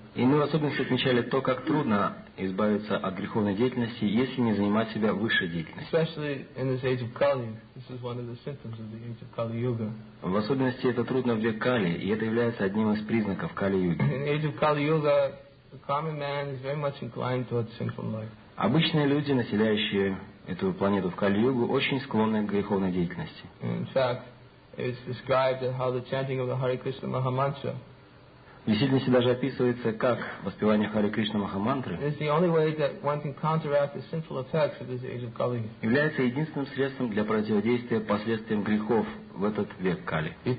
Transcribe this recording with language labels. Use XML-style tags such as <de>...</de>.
<ru>И мы в особенности отмечали то, как трудно избавиться от греховной деятельности, если не занимать себя высшей деятельностью.</ru> <en>Especially in this age of Kali, this is one of the symptoms of the age of Kali Yuga.</en> <ru>В особенности это трудно в век Кали, и это является одним из признаков Кали Юги.</ru> <en>In the age of Kali Yuga, the common man is very much inclined towards sinful life.</en> <ru>Обычные люди, населяющие эту планету в Кали Югу, очень склонны к греховной деятельности.</ru> <en>In fact, it's described how the chanting of the Hare Krishna Maha Mantra.</en> <ru>В действительности даже описывается, как воспевание Харе Кришна Махамантры является единственным средством для противодействия последствиям грехов в этот век Кали.</ru>